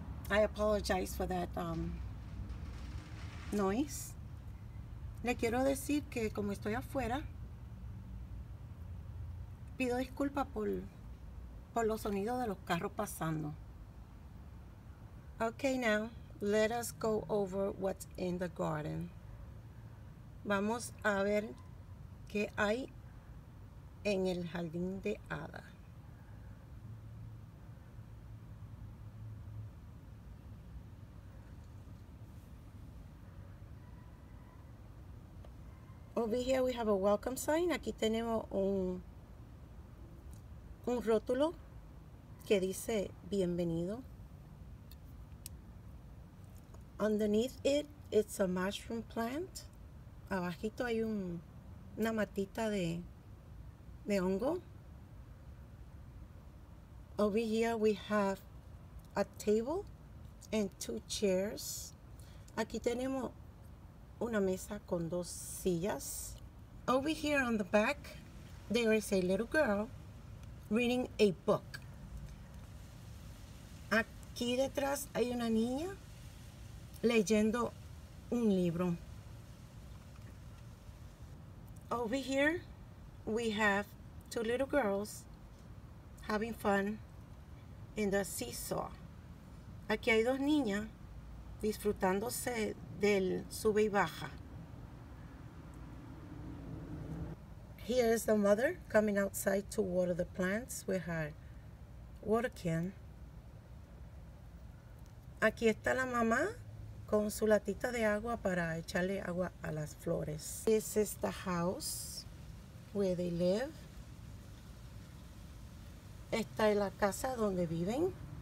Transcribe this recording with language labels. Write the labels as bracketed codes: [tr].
[en] I apologize for that noise. [es] Le quiero decir que como estoy afuera, pido disculpas por los sonidos de los carros pasando. [en] Okay, now let us go over what's in the garden. [es] Vamos a ver qué hay en el jardín de hada. [en] Over here we have a welcome sign. [es] Aquí tenemos un rótulo que dice bienvenido. [en] Underneath it, it's a mushroom plant. [es] Abajito hay una matita de hongo. [en] Over here we have a table and two chairs. [es] Aquí tenemos una mesa con dos sillas. [en] Over here on the back, there is a little girl reading a book. [es] Aquí detrás hay una niña leyendo un libro. [en] Over here, we have two little girls having fun in the seesaw. [es] Aquí hay dos niñas disfrutándose del sube y baja. [en] Here is the mother coming outside to water the plants with her water can. [es] Aquí está la mamá con su latita de agua para echarle agua a las flores. [en] This is the house where they live. [es] Esta es la casa donde viven.